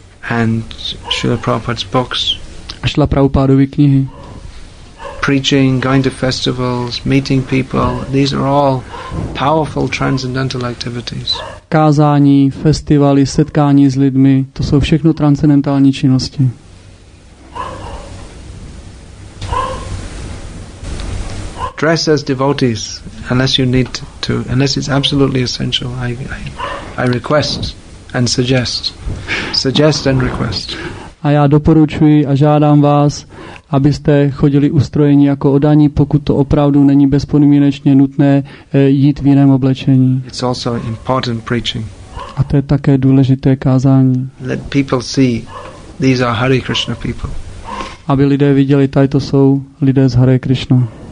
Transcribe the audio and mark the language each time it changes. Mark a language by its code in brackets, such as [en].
[en] and Srila Prabhupada's books. [cs] A Srila Prabhupádovy knihy. [en] Preaching, going to festivals, meeting people, these are all powerful transcendental activities. [cs] Kázání, festivaly, setkání s lidmi, to jsou všechno transcendentální činnosti. [en] Dress as devotees, unless you need to, unless it's absolutely essential, I request and suggest and request. [cs] A já doporučuji a žádám vás, abyste chodili ustrojeni jako oddaní, pokud to opravdu není bezpodmínečně nutné jít v jiném oblečení. [en] It's also important preaching. [cs] A to je také důležité kázání. [en] Let people see these are Hare Krishna people. [cs] Aby lidé viděli, tady to jsou lidé z Hare Krishna.